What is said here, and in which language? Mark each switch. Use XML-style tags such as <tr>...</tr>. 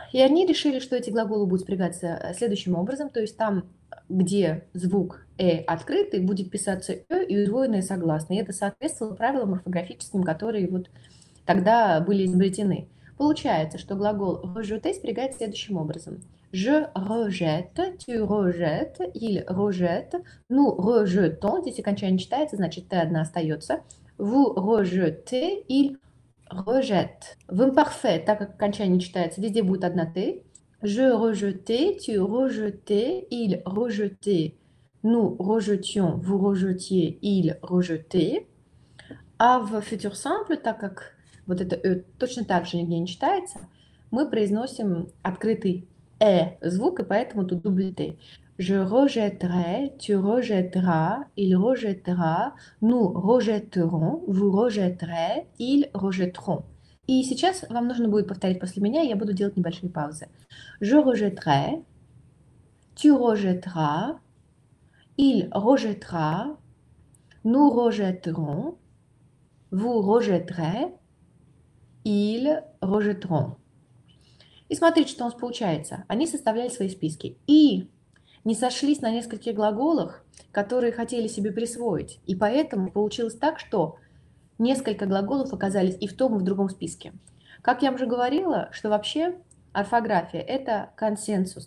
<ru>И они решили, что эти глаголы будут спрягаться следующим образом, то есть там, где звук «э» открытый, будет писаться «ё» и удвоенное согласное. И это соответствовало правилам орфографическим, которые вот тогда были изобретены. Получается, что глагол «rejeter» спрягается следующим образом.</ru> <fr>Je rejette, tu rejettes, il rejette, nous rejetons.</fr> <ru>Здесь окончание читается, значит, «т» одна остается.</ru> <fr>Vous rejetez, il rejette.</fr> <ru>В имперфект, так как окончание читается, везде будет одна «т».</ru> <fr>Je rejetais, tu rejetais, il rejetait, nous rejetions, vous rejetiez, il rejetait.</fr> <ru>А в futur simple, так как вот это «э» точно так же нигде не читается, мы произносим открытый «э» звук, и поэтому тут дубль «т».</ru> <fr>Je rejetterai, tu rejetteras, il rejettera, nous rejetterons, vous rejetterez, ils rejetteront.</fr> <ru>И сейчас вам нужно будет повторить после меня, я буду делать небольшие паузы.</ru> <fr>Je rejetterai, tu rejetteras, il rejettera, nous rejetterons, vous rejetterez, ils rejetteront.</fr> <ru>И смотрите, что у нас получается. Они составляли свои списки и не сошлись на нескольких глаголах, которые хотели себе присвоить. И поэтому получилось так, что несколько глаголов оказались и в том, и в другом списке. Как я уже говорила, что вообще орфография – это консенсус.</ru>